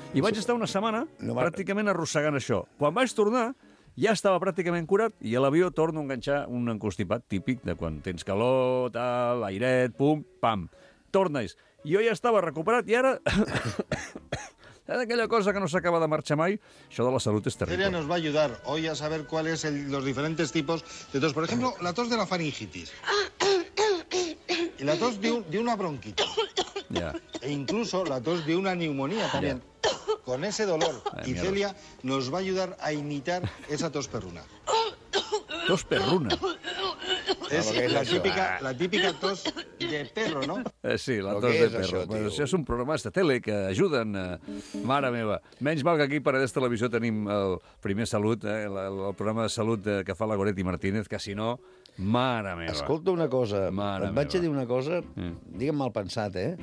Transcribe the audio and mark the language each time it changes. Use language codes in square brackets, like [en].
[ca] I vaig estar una setmana pràcticament arrossegant això. Quan vaig tornar, ja estava pràcticament curat i a l'avió torno a enganxar un encostipat típic de quan tens calor, tal, airet, pum, pam. Tornes. Jo ja estava recuperat i ara... aquella cosa que no s'acaba de marxar mai, això de la salut és terrible. [es] Nos va ajudar hoy a saber cuáles son los diferentes tipos de tos. Por ejemplo, la tos de la faringitis. Y la tos de una bronquitis. Ya. E incluso la tos de una neumonía también. Ya. Con ese dolor. Ay, y Celia nos va a ayudar a imitar esa tos perruna. ¿Tos perruna? Es la típica tos de perro, ¿no? Sí, la tos de perro. [ca] Això, això és un programa de tele que ajuden, mare meva. Menys mal que aquí, per a aquesta televisió, tenim el primer salut, el programa de salut que fa la Goretti Martínez, que si no, mare meva. Escolta una cosa, mare et vaig meva. A dir una cosa, digue'm mal pensat, eh?